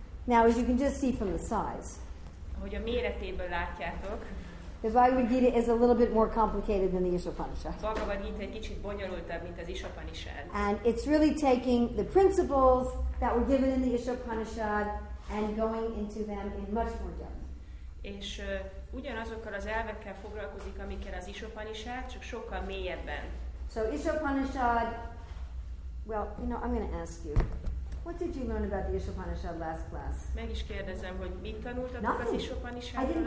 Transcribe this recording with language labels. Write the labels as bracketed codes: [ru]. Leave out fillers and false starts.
[en] Now, as you can just see from the size, [hu] ahogy a méretéből látjátok, [en] the Bhagavad Gita is a little bit more complicated than the Isopanishad. [hu] Bhagavad Gita egy kicsit bonyolultabb, mint az Isopanishad. [en] And it's really taking the principles that were given in the Isopanishad and going into them in much more depth. [hu] És ugyanazokkal az elvekkel foglalkozik, amikkel az Isopanishad, csak sokkal mélyebben. [en] So Isopanishad, well, you know, I'm going to ask you, what did you learn about the Isopanishad last class? [hu] Meg is kérdezem, hogy mit tanultatok az Isopanishadról